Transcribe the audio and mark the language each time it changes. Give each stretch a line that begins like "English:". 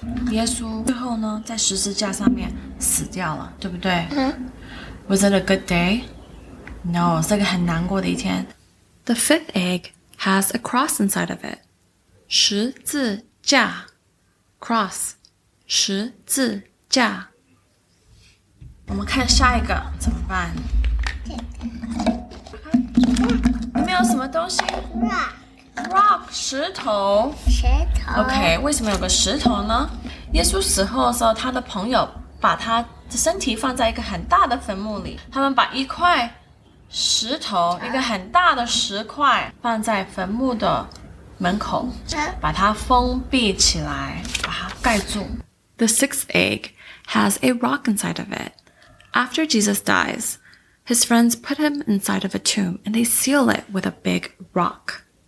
Chinese: 耶稣最后呢，在十字架上面死掉了，对不对？嗯。
English: Was it a good day？
Chinese: No, 是个很难过的一天。
English: The fifth egg has a cross inside of it.
Chinese: 十字架 ，cross， 十字架。我们看下一个怎么办？有没有什么东西
English: ？Rock，
Chinese: 石头。石头。 OK， 为什么有个石头呢？耶稣死后的时候，他的朋友把他的身体放在一个很大的坟墓里，他们把一块。石头，一个很大的石块放在坟墓的门口，把它封闭起来，把它盖住。
English: The sixth egg has a rock inside of it. After Jesus dies, his friends put him inside of a tomb and they seal it with a big rock.